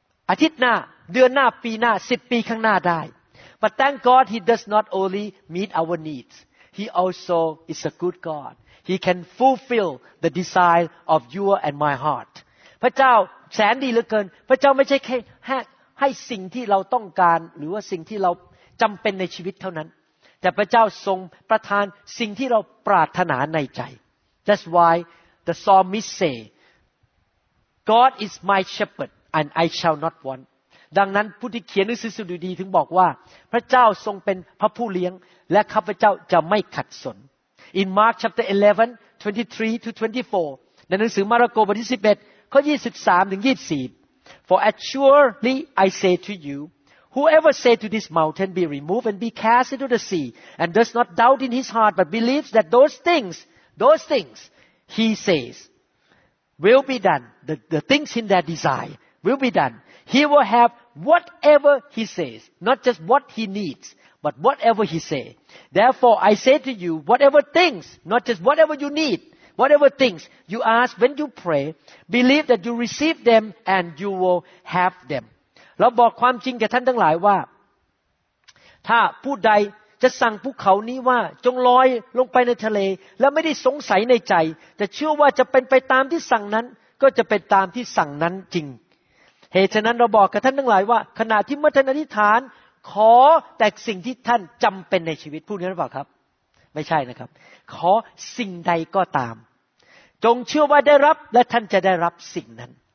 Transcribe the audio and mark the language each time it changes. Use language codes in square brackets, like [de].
[th] อาทิตย์หน้าเดือนหน้าปีหน้า10ปีข้างหน้าได้ [en] but thank God he does not only meet our needs he also is a good God he can fulfill the desire of your and my heart [th] พระเจ้าแสนดีเหลือเกินพระเจ้าไม่ใช่แค่ให้สิ่งที่เราต้องการหรือว่าสิ่งที่เราจำเป็นในชีวิตเท่านั้นแต่พระเจ้าทรงประทานสิ่งที่เราปรารถนาในใจ [en] That's why the psalmist say God is my shepherd and I shall not want [th] ดังนั้นผู้ที่เขียนหนังสือสดุดีถึงบอกว่าพระเจ้าทรงเป็นพระผู้เลี้ยงและข้าพเจ้าจะไม่ขัดสน [en] in Mark chapter 11 23 to 24 [th] ในหนังสือมาระโกบทที่11ข้อ23ถึง24 [en] For assuredly I say to you whoever say to this mountain be removed and be cast into the sea and does not doubt in his heart but believes that those things he says will be done the things in their desire will be done he will have whatever he says not just what he needsBut whatever he say, therefore I say to you, whatever things, not just whatever you need, whatever things you ask when you pray, believe that you receive them and you will have them. [th] เราบอกความจริงแก่ท่านทั้งหลายว่าถ้าผู้ใดจะสั่งภูเขานี้ว่าจงลอยลงไปในทะเลแล้วไม่ได้สงสัยในใจจะเชื่อว่าจะเป็นไปตามที่สั่งนั้นก็จะเป็นตามที่สั่งนั้นจริงเหตุฉะนั้นเราบอกกับท่านทั้งหลายว่าขณะที่เมื่อท่านอธิษฐานขอแต่สิ่งที่ท่านจำเป็นในชีวิตพูดงั้นหรือเปล่าครับไม่ใช่นะครับขอสิ่งใดก็ตามจงเชื่อว่าได้รับและท่านจะได้รับสิ่งนั้น